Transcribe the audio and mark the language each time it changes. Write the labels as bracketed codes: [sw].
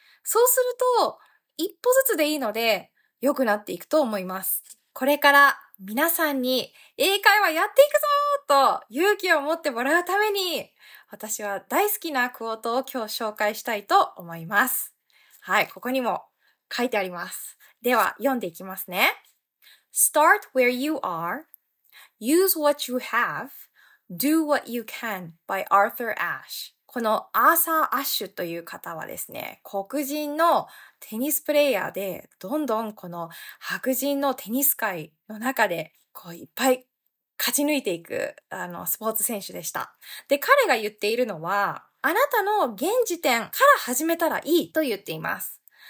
[ja] そうすると、一歩ずつでいいので、良くなっていくと思います。これから皆さんに英会話やっていくぞーと勇気を持ってもらうために、私は大好きなクォートを今日紹介したいと思います。はい、ここにも書いてあります。では、読んでいきますね。 [en] Start where you are. Use what you have. Do what you can by Arthur Ashe. [ja] このアーサー・アッシュという方はですね、黒人のテニスプレイヤーで、どんどんこの白人のテニス界の中で、こういっぱい勝ち抜いていく、スポーツ選手でした。で、彼が言っているのは、あなたの現時点から始めたらいいと言っています。